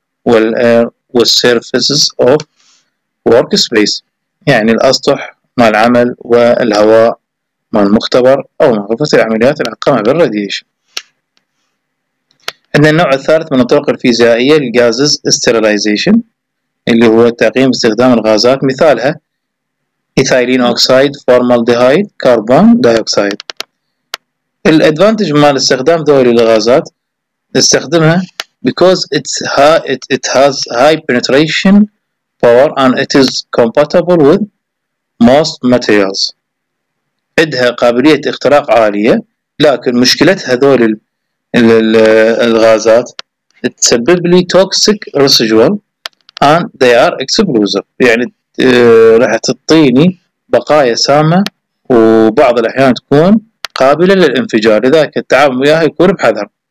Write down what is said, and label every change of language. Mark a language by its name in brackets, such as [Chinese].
[English] والاير والسيرفيسز of work space, [Arabic] يعني الاسطح مال العمل والهواء مال المختبر او من غرفه العمليات العقمه بالراديشن. عندنا النوع الثالث من الطرق الفيزيائيه للغازز ستيرلايزيشن، اللي هو تعقيم استخدام الغازات، مثالها ايثايلين اوكسايد، فورمالديهايد، كربون دايوكسيد. الادفانتج مال استخدام ذول الغازات نستخدمها [English] because it has high penetration power and it is compatible with most materials. [Arabic] عندها قابلية اختراق عالية، لكن مشكلتها ذول الغازات تسبب لي [English] toxic residual and they are explosive، [Arabic] يعني راح تعطيني بقايا سامة وبعض الأحيان تكون قابلة للانفجار، لذلك التعامل وياها يكون بحذر.